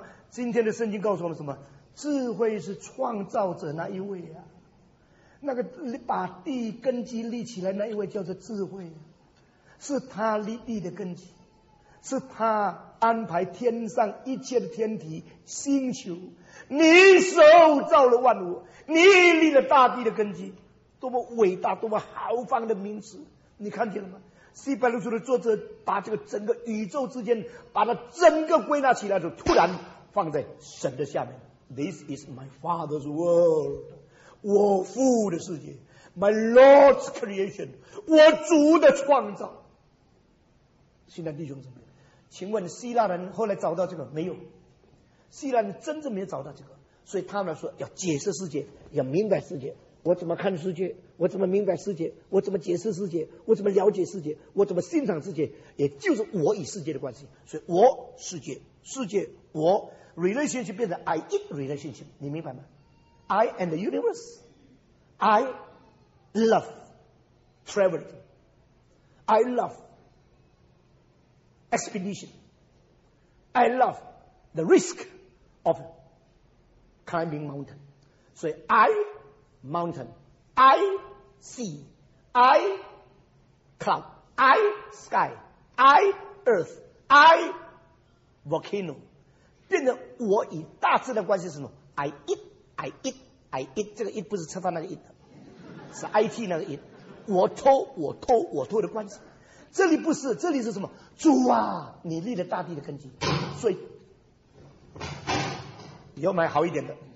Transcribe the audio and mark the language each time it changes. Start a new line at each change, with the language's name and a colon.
Chinese: 今天的圣经告诉我们什么？智慧是创造者那一位啊，那个把地根基立起来那一位叫做智慧，是他立地的根基，是他安排天上一切的天体星球，你手造了万物，你立了大地的根基，多么伟大，多么豪放的名词，你看见了吗？希伯来书的作者把这个整个宇宙之间把它整个归纳起来的时候，突然放在神的下面。
English: This is my father's world，
Chinese: 我父的世界。
English: My Lord's creation，
Chinese: 我主的创造。现在弟兄姊妹，请问希腊人后来找到这个没有？希腊人真正没有找到这个，所以他们来说要解释世界，要明白世界。我怎么看世界？我怎么明白世界？我怎么解释世界？我怎么了解世界？我怎么欣赏世界？也就是我与世界的关系。所以我世界，世界我， relationship 变成
English: I in relationship，
Chinese: 你明白吗？
English: I and the universe， I love traveling， I love expedition， I love the risk of climbing mountain。所以 I mountain， I sea， I cloud， I sky， I earth， I volcano，
Chinese: 变成我与大自然关系是什么？
English: I eat， I eat， I eat，
Chinese: 这个 eat 不是吃饭那个 eat， 是 IT 那个 eat， 我偷我偷我偷的关系。这里不是，这里是什么？主啊，你立了大地的根基，所以要买好一点的。